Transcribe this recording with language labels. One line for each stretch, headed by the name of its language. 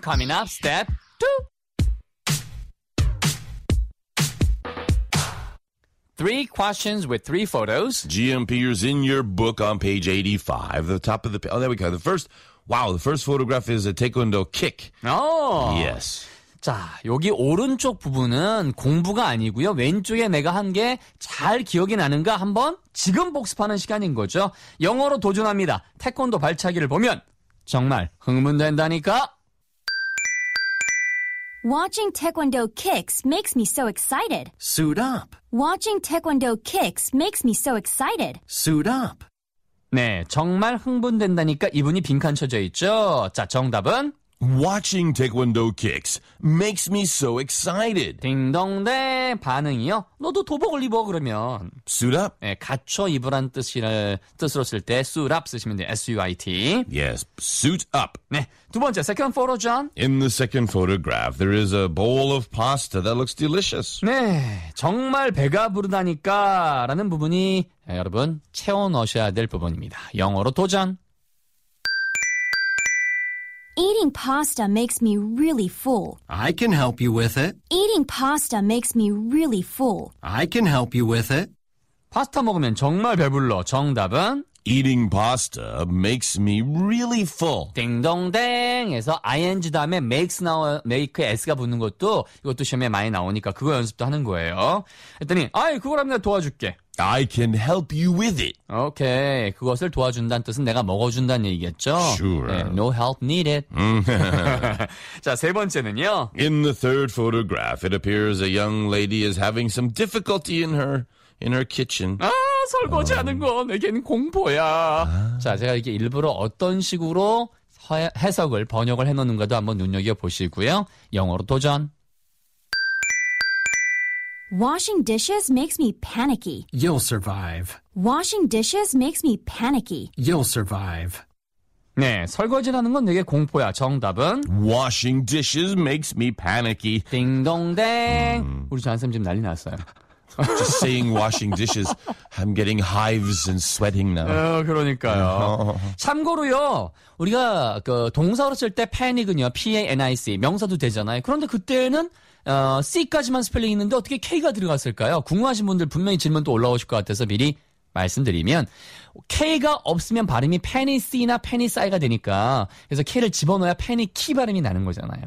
English: Coming up, step two. 3 questions with 3 photos. GMP is in your book on page 85, the top of the page. Oh, there we go. The first... Wow, the first photograph is a taekwondo kick. Oh. Yes.
Korean: 자, 여기 오른쪽 부분은 공부가 아니고요. 왼쪽에 내가 한 게 잘 기억이 나는가 한번 지금 복습하는 시간인 거죠. 영어로 도전합니다. 태권도 발차기를 보면 정말 흥분된다니까.
English: Watching taekwondo kicks makes me so excited. Suit up. Watching taekwondo kicks makes me so excited. Suit up.
Korean: 네, 정말 흥분된다니까 이분이 빈칸 쳐져 있죠. 자, 정답은
English: Watching Taekwondo kicks makes me so excited.
Korean: 딩동댕 반응이요. 너도 도복을 입어 그러면
English: Suit up.
Korean: 네, 갖춰 입으란 뜻을 뜻으로 쓸 때
English: suit up
Korean: 쓰시면 돼요.
English: S-U-I-T. Yes, suit up.
Korean: 네, 두 번째
English: second photo,
Korean: John.
English: In the second photograph, there is a bowl of pasta that looks delicious.
Korean: 네, 정말 배가 부르다니까라는 부분이. 네, 여러분, 채워 넣으셔야 될 부분입니다. 영어로 도전.
English: Eating pasta makes me really full. I can help you with it. Eating pasta makes me really full. I can help you with it.
Korean: 파스타 먹으면 정말 배불러. 정답은
English: Eating pasta makes me really full.
Korean: 딩동댕에서 ing 다음에 makes 나와 make s가 붙는 것도 이것도 시험에 많이 나오니까 그거 연습도 하는 거예요. 했더니 아이 그거라면 내가 도와줄게.
English: I can help you with it.
Korean: 오케이. 그것을 도와준다는 뜻은 내가 먹어준다는 얘기겠죠?
English: Sure.
Korean: 네,
English: no help needed.
Korean: 자, 세 번째는요.
English: In the third photograph, it appears a young lady is having some difficulty in her kitchen.
Korean: 아, 설거지 하는 거 내게는 공포야. 자, 제가 이게 일부러 어떤 식으로 해석을 번역을 해놓는가도 한번 눈여겨보시고요. 영어로 도전.
English: Washing dishes makes me panicky. You'll survive. Washing dishes makes me panicky. You'll survive.
Korean: 네, 설거지라는 건 되게 공포야. 정답은?
English: Washing dishes makes me panicky.
Korean: 딩동댕. 우리 잔쌤 지금 난리 났어요.
English: Just saying washing dishes, I'm getting hives and sweating now.
Korean: 그러니까요. 참고로요, 우리가 그 동사로 쓸 때 panic은요, P-A-N-I-C, 명사도 되잖아요. 그런데 그때는 C까지만 스펠링 있는데 어떻게 K가 들어갔을까요? 궁금하신 분들 분명히 질문도 올라오실 것 같아서 미리 말씀드리면 K가 없으면 발음이 Panicy나 Panicy가 되니까 그래서 K를 집어넣어야 Panicy 발음이 나는 거잖아요.